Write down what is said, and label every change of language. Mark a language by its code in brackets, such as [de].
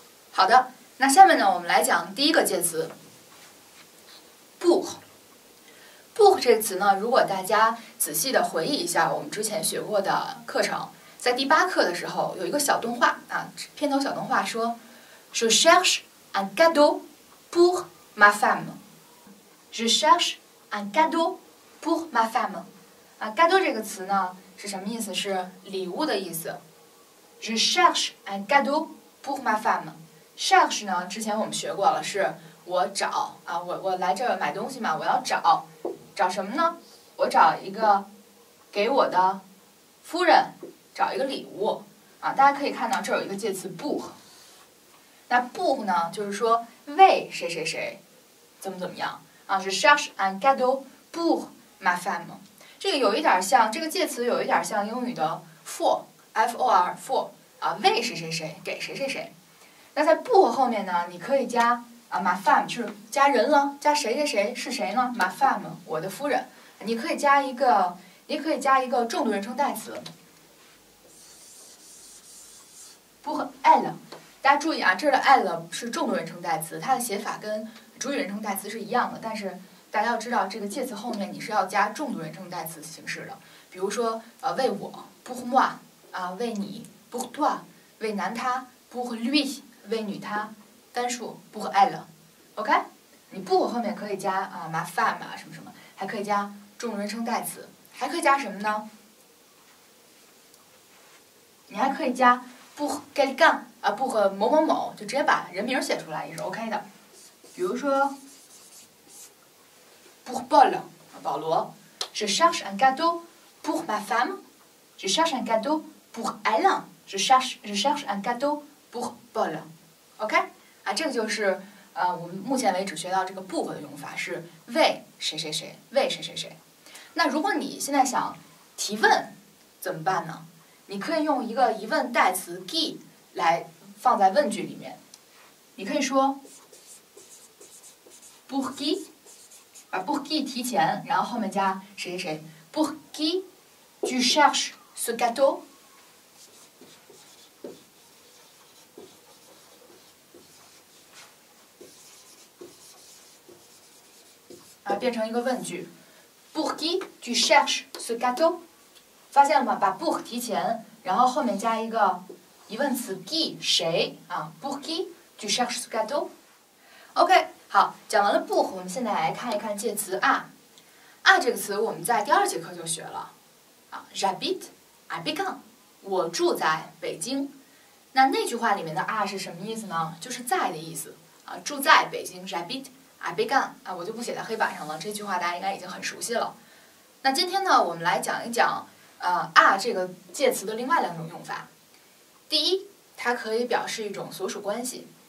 [zh] 好的，那下面呢，我们来讲第一个介词 ，book 这个词呢，如果大家仔细的回忆一下我们之前学过的课程，在第八课的时候有一个小动画啊，片头小动画说 ， [fr] Je cherche un cadeau pour ma femme. Je cherche un cadeau pour ma femme. [zh] 啊 ，cadeau 这个词呢是什么意思？是礼物的意思。 [fr] Je cherche un cadeau pour ma femme. [zh] Cherche 呢，之前我们学过了，是我找啊，我来这儿买东西嘛，我要找，找什么呢？我找一个给我的夫人找一个礼物。啊，大家可以看到这有一个介词 pour。那 pour 呢就是说为谁谁谁怎么怎么样啊，是 [fr] cherche un cadeau pour ma femme。 [zh] 这个有一点像，这个介词有一点像英语的 for， F-O-R， for 啊，为谁谁谁，给谁谁谁。那在 pour 后面呢你可以加啊 ma femme， 就是加人了，加谁谁谁是谁呢， ma femme， 我的夫人。你可以加一个，你可以加一个重读人称代词 [fr] pour elle。 [zh] 大家注意啊，这儿的 elle 是重读人称代词，它的写法跟主语人称代词是一样的，但是大家要知道这个介词后面你是要加重读人称代词形式的。比如说为我 [fr] pour moi [zh] 啊，为你 [fr] pour toi， [zh] 为男他 [fr] pour lui， [zh] 为女他单数 [fr] pour elle。 [zh] OK， 你 pour 后面可以加啊 ma femme 啊什么什么，还可以加重读人称代词，还可以加什么呢？你还可以加 [fr] pour quelqu'un [zh] 啊 ，pour 某某某，就直接把人名写出来也是 OK 的。比如说 pour Paul 啊，保罗 ， [fr] je cherche un cadeau pour ma femme， je cherche un cadeau pour Alain， je cherche un cadeau pour Paul， [zh] OK 啊，这个就是我们目前为止学到这个 pour 的用法是为谁谁谁，为谁谁谁。那如果你现在想提问怎么办呢？你可以用一个疑问代词 qui 来放在问句里面，你可以说 [fr] pour qui， [zh] 把 pour qui 提前，然后后面加谁谁谁。 [fr] pour qui tu cherches ce gâteau， ？ [zh] 变成一个问句。 [fr] Pour qui tu cherches ce gâteau？ [zh] 发现了吗？把 pour 提前，然后后面加一个疑问词 qui 谁啊 ？ [fr] Pour qui tu cherches ce gâteau？ [zh] OK， 好，讲完了 pour， 我们现在来看一看介词 à。 à 这个词我们在第二节课就学了啊。 [fr] J'habite à Pékin， [zh] 我住在北京。那那句话里面的 à 是什么意思呢？就是在的意思啊，住在北京。 J'habite。 啊，别干啊！我就不写在黑板上了。这句话大家应该已经很熟悉了。那今天呢，我们来讲一讲啊这个介词的另外两种用法。第一，它可以表示一种所属关系。